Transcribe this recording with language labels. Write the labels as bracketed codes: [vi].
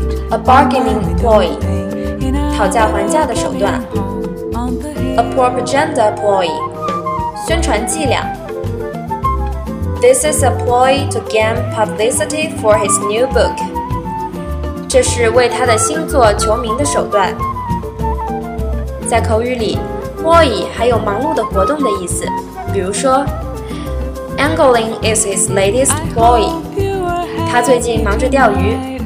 [en] A bargaining ploy, [zh] 讨价还价的手段。 [en] A propaganda ploy, [zh] 宣传伎俩。 [en] This is a ploy to gain publicity for his new book, [zh] 这是为他的新作求名的手段。在口语里， ploy 还有忙碌的活动的意思，比如说 [en] Angling is his latest ploy, [zh] 他最近忙着钓鱼。